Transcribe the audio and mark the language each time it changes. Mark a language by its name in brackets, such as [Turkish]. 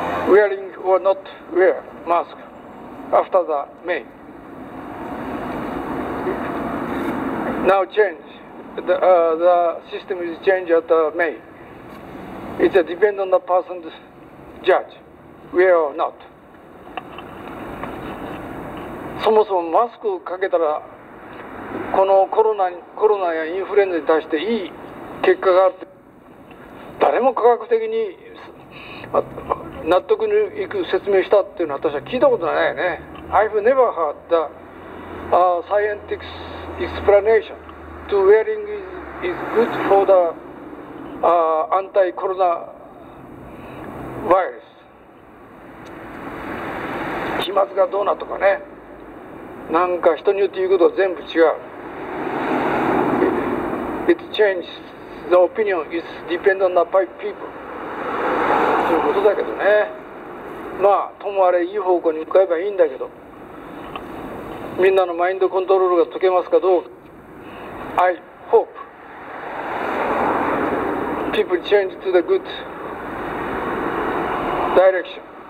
[English] Wearing or not wear mask after the May? Now change the system is change at the May. It's a depend on the person's judge wear or not。 [Japanese] そもそもマスクをかけたらこのコロナやインフルエンザに対していい結果があるって誰も科学的に納得にいく説明したっていうのは私は聞いたことないよね。 [English] I've never heard the scientific explanation to wearing is good for the anti-corona virus。 [Japanese] 飛沫がどうなとかね、なんか人によって言うことは全部違う。 [English] It changes. The opinion is dependent upon people. [Japanese] ということだけどね。まあ、ともあれいい方向に向かえばいいんだけど。みんなのマインドコントロールが解けますかどうか。 [English] I hope people change to the good direction.